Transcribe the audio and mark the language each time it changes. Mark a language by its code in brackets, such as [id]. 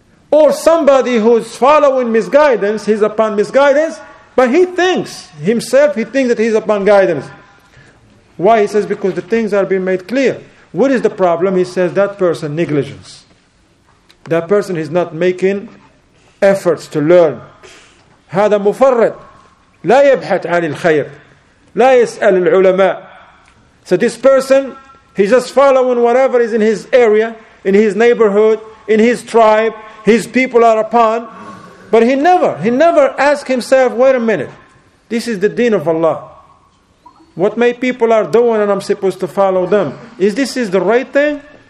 [en] Or somebody who's following misguidance, he's upon misguidance, but he thinks that he's upon guidance. Why? He says, because the things are being made clear. What is the problem? He says, that person, negligence. That person is not making efforts to learn. [ar] هذا مفرط لا يبحث عن الخير لا يسأل العلماء. [en] So this person, he's just following whatever is in his area, in his neighborhood, in his tribe, his people are upon. But he never asked himself, wait a minute, this is the deen of Allah. What my people are doing and I'm supposed to follow them. Is this the right thing?